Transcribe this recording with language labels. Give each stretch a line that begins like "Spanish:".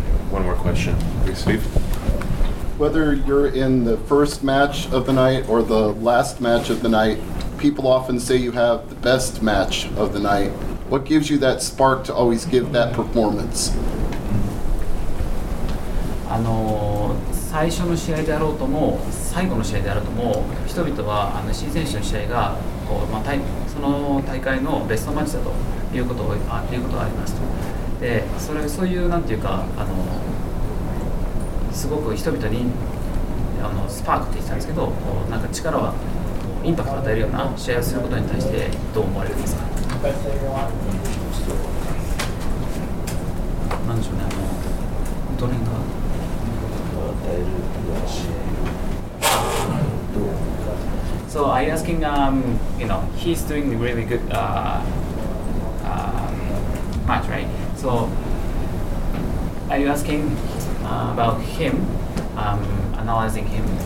English: One more question, please, Steve. Whether you're in the first match of the night or the last match of the night, people often say you have the best match of the night. What gives you that spark to always give that performance?
Japanese: 最初の試合であろうとも最後の試合であろうとも、人々は新選手の試合がこう、まあ、その大会のベストマッチだということを、ということがありますと。でそういうなんていうかすごく人々にあのスパークって言ってたんですけど、こうなんか力はインパクトを与えるような試合をすることに対してどう思われますか。なんでしょうね、あのトレーナー。
English: So are you asking, you know, he's doing really good match, right? So are you asking about him, analyzing him?